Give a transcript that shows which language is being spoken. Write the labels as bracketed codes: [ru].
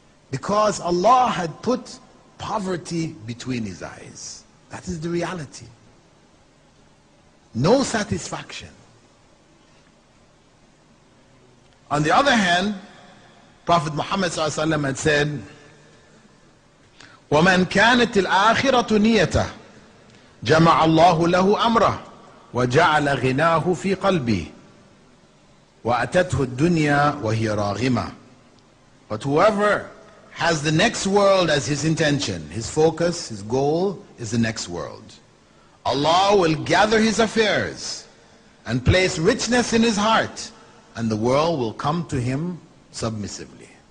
[en] Because Allah had put poverty between his eyes. That is the reality. No satisfaction. On the other hand, Prophet Muhammad sallallahu alaihi wasallam had said, [ar] وَمَنْ كَانَتِ الْآخِرَةُ نِيَتَهُ جمع الله له أمره وجعل غناه في قلبه وأتته الدنيا وهي راغمة. [en] But whoever has the next world as his intention, his focus, his goal is the next world. Allah will gather his affairs and place richness in his heart, and the world will come to him submissively.